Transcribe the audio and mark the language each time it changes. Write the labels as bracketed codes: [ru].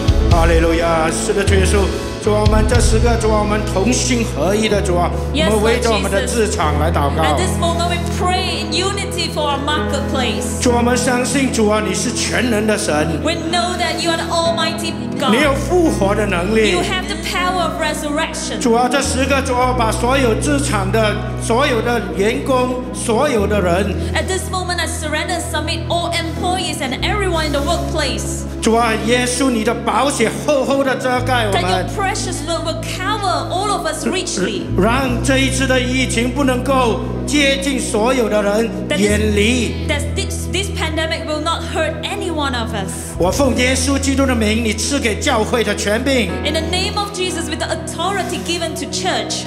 [zh] 哈利路亚，是的，主耶稣，主啊，我们这时刻，主啊，我们同心合一的主啊，我们围着我们的职场来祷告。 [en] At this moment, we pray in unity for our marketplace. [zh] 主啊，我们相信主啊，你是全能的神。 [en] We know that you are the Almighty God. [zh] 你有复活的能力。 [en] You have the power of resurrection. [zh] 主啊，这时刻，主啊，把所有职场的所有的员工，所有的人。 [en] At this moment, I surrender and submit all employees and everyone in the workplace. [zh] 主啊，耶稣，你的宝血厚厚的遮盖我们。 [en] That your precious blood will cover all of us richly. [zh] 让这一次的疫情不能够接近所有的人，远离。 [en] That this pandemic will not hurt any one of us. [zh] 我奉耶稣基督的名，你赐给教会的权柄。 [en] In the name of Jesus, with the authority given to church.